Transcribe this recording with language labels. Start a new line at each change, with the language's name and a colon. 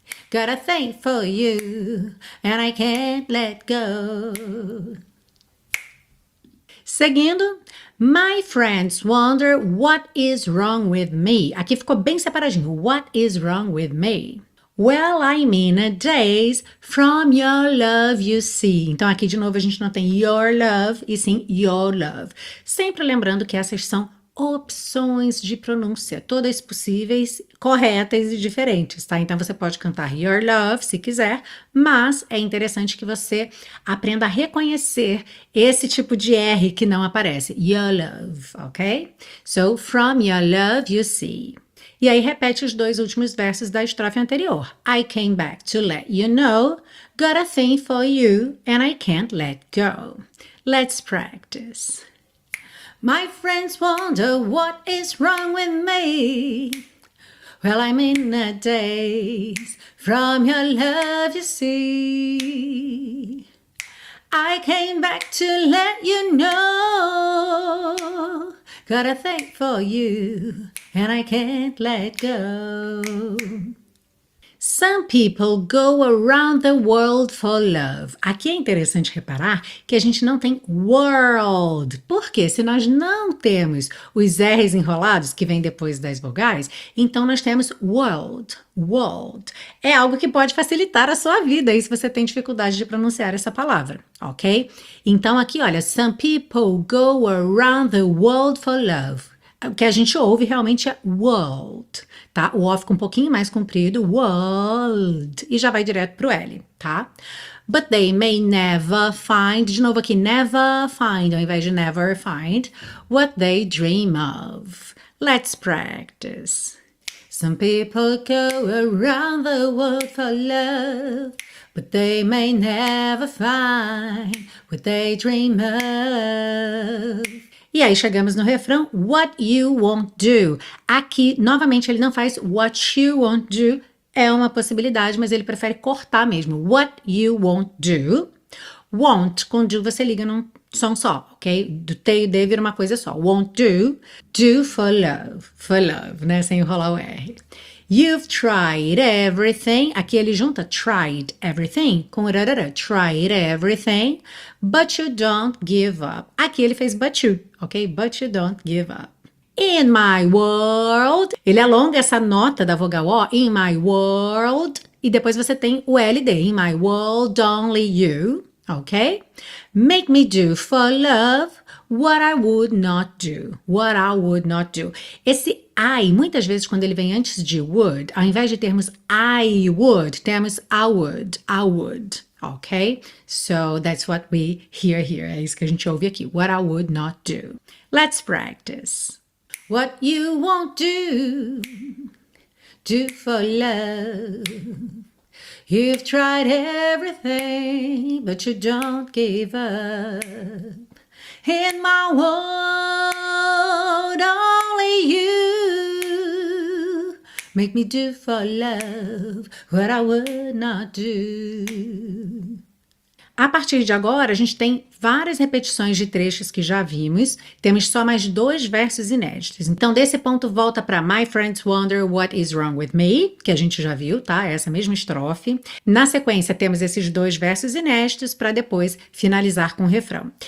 English: Got a thing for you, and I can't let go.
Portuguese: Seguindo,
English: my friends wonder what is wrong with me.
Portuguese: Aqui ficou bem separadinho,
English: what is wrong with me? Well, I'm in a daze from your love, you see.
Portuguese: Então, aqui de novo, a gente não tem your love, e sim your love. Sempre lembrando que essas são opções de pronúncia, todas possíveis, corretas e diferentes, tá? Então, você pode cantar your love, se quiser, mas é interessante que você aprenda a reconhecer esse tipo de R que não aparece, your love, ok?
English: So, from your love, you see.
Portuguese: E aí repete os dois últimos versos da estrofe anterior.
English: I came back to let you know, got a thing for you, and I can't let go. Let's practice. My friends wonder what is wrong with me. Well, I'm in a daze from your love, you see. I came back to let you know, got a thing for you, and I can't let go. Some people go around the world for love.
Portuguese: Aqui é interessante reparar que a gente não tem world. Porque se nós não temos os R's enrolados, que vem depois das vogais, então nós temos world. World. É algo que pode facilitar a sua vida aí se você tem dificuldade de pronunciar essa palavra, ok? Então aqui, olha, some people go around the world for love. O que a gente ouve realmente é world, tá? O O fica um pouquinho mais comprido, world, e já vai direto pro L, tá?
English: But they may never find,
Portuguese: de novo aqui,
English: never find,
Portuguese: ao invés de
English: never find, what they dream of. Let's practice. Some people go around the world for love, but they may never find what they dream of.
Portuguese: E aí chegamos no refrão,
English: what you won't do.
Portuguese: Aqui, novamente, ele não faz what you won't do, é uma possibilidade, mas ele prefere cortar mesmo.
English: What you won't do.
Portuguese: Won't, com do você liga num som só, ok? Do T e D vira uma coisa só. Won't do, do for love, né? Sem enrolar o R.
English: You've tried everything.
Portuguese: Aqui ele junta
English: tried everything
Portuguese: com rarara.
English: Tried everything, but you don't give up.
Portuguese: Aqui ele fez
English: but you, ok? But you don't give up. In my world.
Portuguese: Ele alonga essa nota da vogal O.
English: In my world.
Portuguese: E depois você tem o LD.
English: In my world, only you, ok? Make me do for love what I would not do. What I would not do.
Portuguese: Esse I, muitas vezes quando ele vem antes de would, ao invés de termos I would, temos I would, ok?
English: So, that's what we hear here,
Portuguese: é isso que a gente ouve aqui,
English: what I would not do. Let's practice. What you won't do, do for love. You've tried everything, but you don't give up. In my world, only you. Make me do for love what I would not do.
Portuguese: A partir de agora, a gente tem várias repetições de trechos que já vimos. Temos só mais dois versos inéditos. Então, desse ponto, volta para My Friends Wonder What Is Wrong With Me, que a gente já viu, tá? Essa mesma estrofe. Na sequência, temos esses dois versos inéditos para depois finalizar com o refrão.